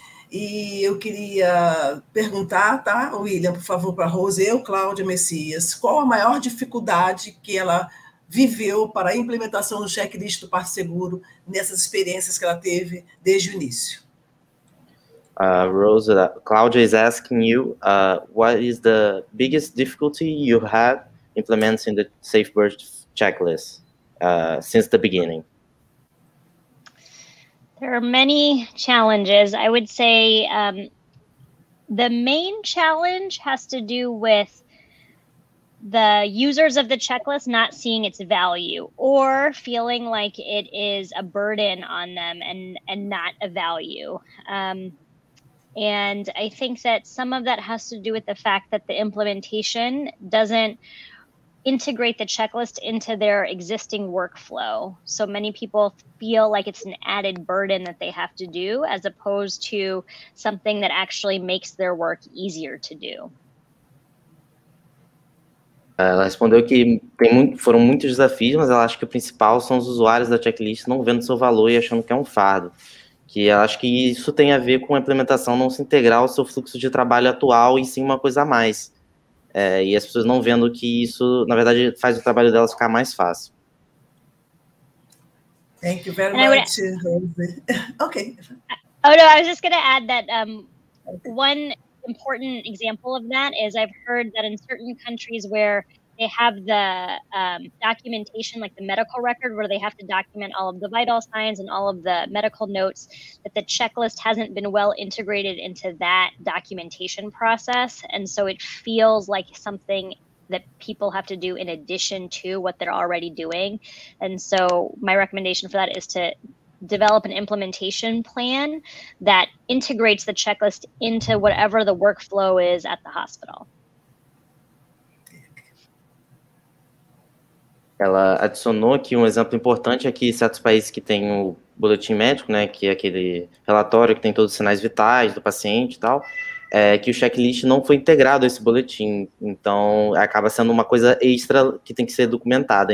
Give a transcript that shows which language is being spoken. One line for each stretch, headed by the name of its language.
Portuguese: E eu queria perguntar, tá, William, por favor, para a Rose, eu, Cláudia Messias, qual a maior dificuldade que ela viveu para a implementação do checklist do Passo Seguro nessas experiências que ela teve desde o início?
English: Rose, Cláudia is asking you, what is the biggest difficulty you had implementing the Safe Birth checklist since the beginning? There are many challenges. I would say the main challenge has to do with the users of the checklist not seeing its value or feeling like it is a burden on them and not a value. And I think that some of that has to do with the fact that the implementation doesn't integrate the checklist into their existing workflow. So many people feel like it's an added burden that they have to do as opposed to something that actually makes their work easier to do.
Portuguese: Ela respondeu que tem muito, foram muitos desafios, mas ela acha que o principal são os usuários da checklist não vendo seu valor e achando que é um fardo. Que ela acha que isso tem a ver com a implementação não se integrar ao seu fluxo de trabalho atual e sim uma coisa a mais. E as pessoas não vendo que isso, na verdade, faz o trabalho delas ficar mais fácil.
English: Thank you very much, Rose. Okay. Oh, no, I was just going to add that one important example of that is I've heard that in certain countries where they have the documentation, like the medical record, where they have to document all of the vital signs and all of the medical notes, that the checklist hasn't been well integrated into that documentation process. And so it feels like something that people have to do in addition to what they're already doing. And so my recommendation for that is to develop an implementation plan that integrates the checklist into whatever the workflow is at the hospital.
Portuguese: Ela adicionou que um exemplo importante é que certos países que têm o boletim médico, né, que é aquele relatório que tem todos os sinais vitais do paciente e tal, é que o checklist não foi integrado a esse boletim. Então, acaba sendo uma coisa extra que tem que ser documentada.